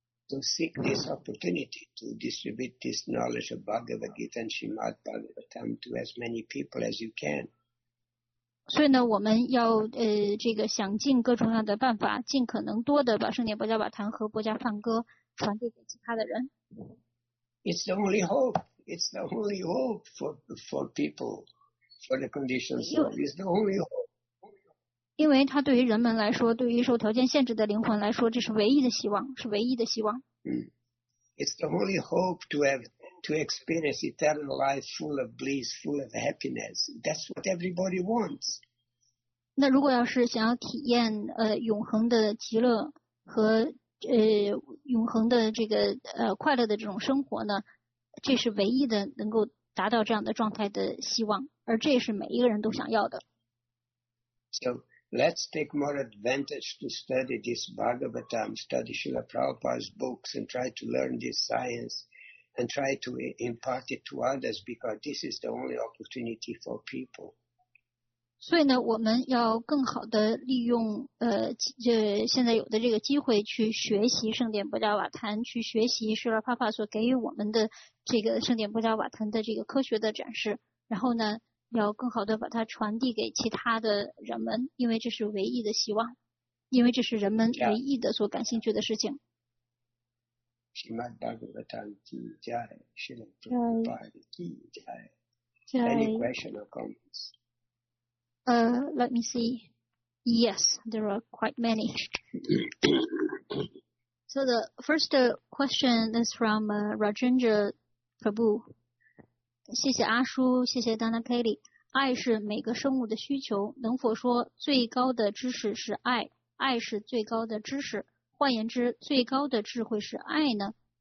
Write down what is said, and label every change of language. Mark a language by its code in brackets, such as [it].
[en] So seek this opportunity to distribute this knowledge of Bhagavad Gita and Srimad Bhagavatam to as many people as you can. [zh] 所以呢，我们要这个想尽各种各样的办法，尽可能多的把圣典薄伽梵堂和薄伽梵歌传递给其他的人。 [en] It's the only hope. It's the only hope for people, for the conditions. It's the only hope. [zh] 因为它对于人们来说，对于受条件限制的灵魂来说，这是唯一的希望，是唯一的希望。 [en] It's the only hope to experience eternal life full of bliss, full of happiness. That's what everybody wants. [zh] 那如果要是想要体验永恒的极乐和永恒的这个快乐的这种生活呢，这是唯一的能够达到这样的状态的希望，而这也是每一个人都想要的。 [en] So let's take more advantage to study this Bhagavatam, study Srila Prabhupada's books, and try to learn this science. And try to impart it to others because this is the only opportunity for people. [zh] 所以呢，我们要更好的利用现在有的这个机会去学习圣典薄伽瓦坛，去学习舍尔帕帕所给予我们的这个圣典薄伽瓦坛的这个科学的展示。然后呢，要更好的把它传递给其他的人们，因为这是唯一的希望，因为这是人们唯一的所感兴趣的事情。 [en] Yeah. Srimad Bhagavatam Ki Jai, Srila Prabhupada Ki Jai. Any question or comments? Let me see. Yes, there are quite many. So the first question is from Rajendra Prabhu. [zh] 谢谢阿叔，谢谢 Dana Kelly. 爱是每个生物的需求，能否说最高的知识是爱，爱是最高的知识。换言之，最高的智慧是爱呢？